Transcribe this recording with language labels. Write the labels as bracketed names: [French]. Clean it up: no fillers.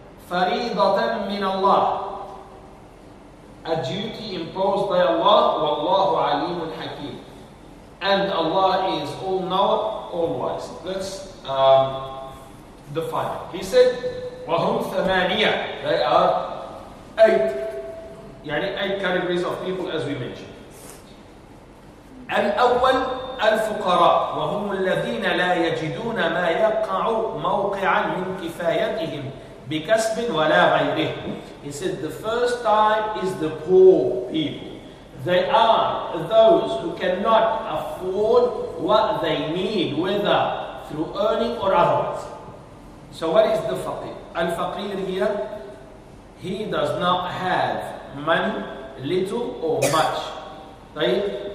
[Arabic] فَرِيضَةً مِّنَ اللَّهِ, [English] a duty imposed by Allah. [Arabic] وَاللَّهُ عَلِيمٌ حَكِيمٌ, [English] and Allah is all-knower, all-wise. Let's define it. He said, [Arabic] وَهُمْ ثَمَانِيَةً, [English] they are eight, يعني eight categories of people as we mentioned. [Arabic] الأول الفقراء وهم الذين لا يجدون ما يقع موقعا من كفايتهم بكسب ولا غيره. [English] He said, the first time is the poor people. They are those who cannot afford what they need, whether through earning or otherwise. So what is the faqir? Al-faqir here, he does not have money, little or much. Right?